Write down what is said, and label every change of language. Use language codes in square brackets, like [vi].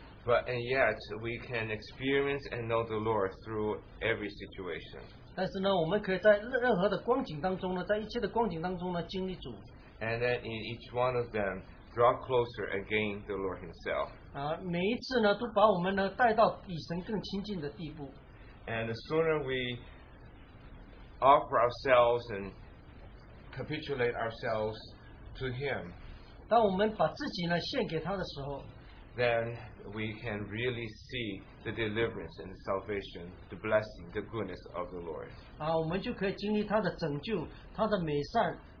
[en] but and yet, we can experience and know the Lord through every situation. [zh] 但是呢,我们可以在任何的光景当中呢, [en] and then in each one of them, draw closer again to the Lord Himself. [zh] 每一次呢，都把我们呢带到与神更亲近的地步。 [en] And the sooner we offer ourselves and capitulate ourselves to Him, [zh] 当我们把自己呢献给他的时候, [en] then we can really see the deliverance and salvation, the blessing, the goodness of the Lord. [zh] 我们就可以经历他的拯救，他的美善。